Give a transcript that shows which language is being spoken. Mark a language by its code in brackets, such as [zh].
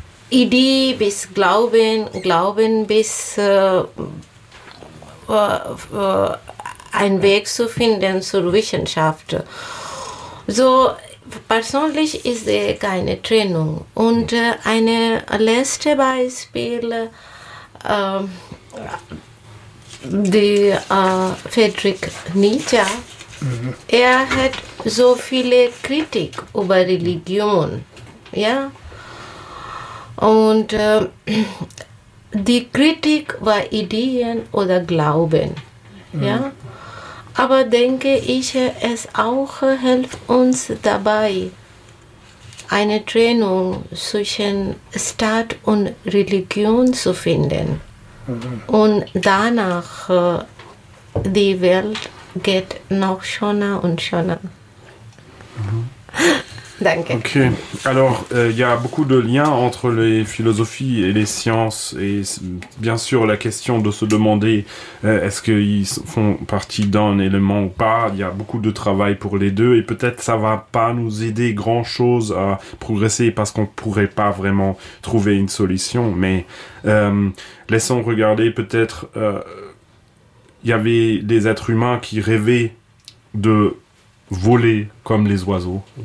[de] Idee bis Glauben, Glauben bis einen Weg zu finden zur Wissenschaft. So persönlich ist es keine Trennung. Und ein letztes Beispiel, Friedrich Nietzsche, [fr] Et à être zoophile critique ou bien religieux. Et la critique va idéen ou la glauben. [de] Aber denke ich, es auch hilft uns dabei, eine Trennung zwischen Staat und Religion zu finden und danach die Welt geht noch schöner und schöner. Danke. [fr] Okay, alors il y a beaucoup de liens entre les philosophies et les sciences, et bien sûr la question de se demander est-ce qu'ils font partie d'un élément ou pas, il y a beaucoup de travail pour les deux, et peut-être ça va pas nous aider grand chose à progresser parce qu'on pourrait pas vraiment trouver une solution, mais laissons regarder peut-être, il y avait des êtres humains qui rêvaient de voler comme les oiseaux.